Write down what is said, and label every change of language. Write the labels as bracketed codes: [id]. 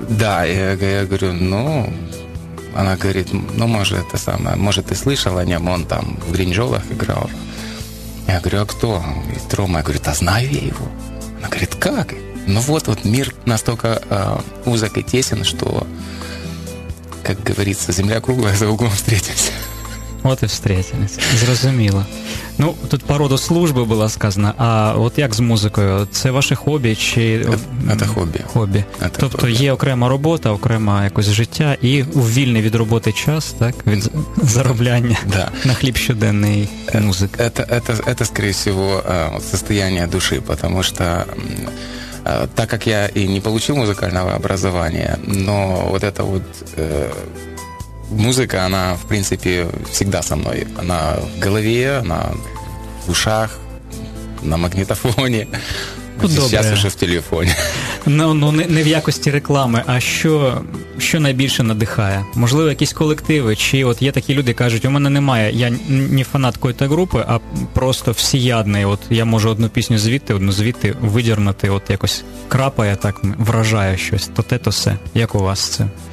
[ru] Да, я говорю, ну, она говорит, ну, может, это самое, может, ты слышал о нем, он там в Гринжолах играл. Я говорю, а кто? И Рома, я говорю, да знаю я его. Она говорит, как? Ну, вот мир настолько узок и тесен, что, как говорится, земля круглая, за углом встретимся. [uk] От і встретились. Зрозуміло. Ну, тут по роду служби була сказана, а от як з музикою? Це ваше хобі чи... Це хобі. Хобі. Это тобто хобі. Є окрема робота, окрема якось життя і вільний від роботи час, так? Від заробляння да. На хліб щоденний музик. Це, скоріше всього, состояние душі, тому що... Так як я і не отримав музикального образування, [ru] но вот это вот... Музыка, она, в принципе, всегда со мной. Она в голове, она в ушах, на магнитофоне. Ну, сейчас уже в телефоне. [uk] Ну не в якості реклами, а що найбільше надихає? Можливо, якісь колективи, чи от є такі люди, кажуть, у мене немає, я не фанат якоїсь групи, а просто всіядний. От я можу одну пісню звідти, одну звідти видірнути, от якось крапає так, вражає щось. То все. Як у вас це?